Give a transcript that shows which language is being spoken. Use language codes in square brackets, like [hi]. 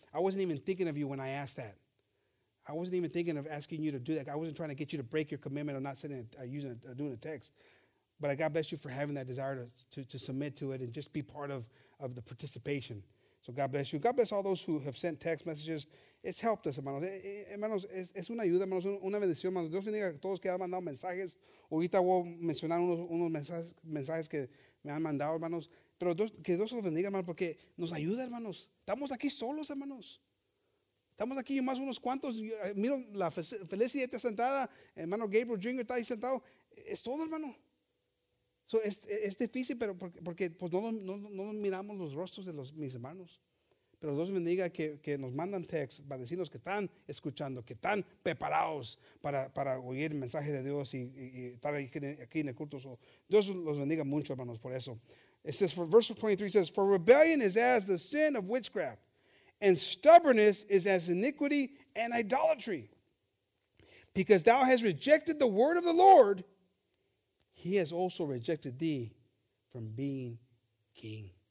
[en] I wasn't even thinking of you when I asked that. I wasn't even thinking of asking you to do that. I wasn't trying to get you to break your commitment or not sending, doing a text. But God bless you for having that desire to submit to it and just be part of the participation. So God bless you. God bless all those who have sent text messages. It's helped us, [es] hermanos. Hermanos, es una ayuda, hermanos. Una bendición, hermanos. Dios bendiga a todos que han mandado mensajes. Ahorita voy a mencionar unos mensajes que me han mandado, hermanos. Pero que Dios los bendiga, hermanos, porque nos ayuda, hermanos. Estamos aquí solos, hermanos. Estamos aquí más unos cuantos. Miro la Felicia está sentada. Hermano Gabriel Jr. está ahí sentado. Es todo, hermano. So es difícil, pero porque pues no miramos los rostros de mis hermanos. Pero Dios bendiga que nos mandan text para decirnos que están escuchando, que están preparados para oír el mensaje de Dios y estar aquí en el culto. So Dios los bendiga mucho, hermanos, por eso. [en] It says, verse 23 says, for rebellion is as the sin of witchcraft, and stubbornness is as iniquity and idolatry. Because thou hast rejected the word of the Lord, he has also rejected thee from being king.